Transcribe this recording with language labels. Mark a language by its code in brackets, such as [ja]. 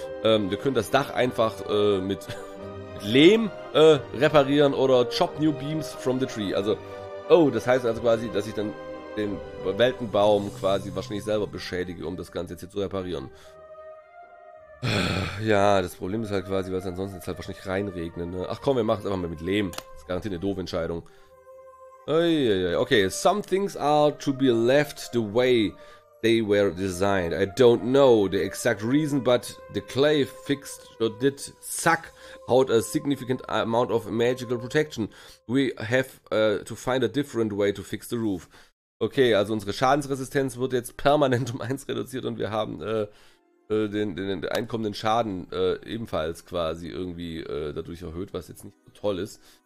[de] Wir können das Dach einfach mit Lehm reparieren oder [en] chop new beams from the tree. [de] Also, das heißt also quasi, dass ich dann den Weltenbaum quasi wahrscheinlich selber beschädige, um das Ganze jetzt hier zu reparieren. Ja, das Problem ist halt quasi, weil es ansonsten jetzt halt wahrscheinlich reinregnet. Ne? Ach komm, wir machen es einfach mal mit Lehm. Das ist garantiert eine doofe Entscheidung. [en] Okay, some things are to be left the way they were designed. I don't know the exact reason, but the clay fixed or did suck out a significant amount of magical protection. We have to find a different way to fix the roof. [de] Okay, also unsere Schadensresistenz wird jetzt permanent um 1 reduziert und wir haben den einkommenden Schaden ebenfalls quasi irgendwie dadurch erhöht, was jetzt nicht so toll ist.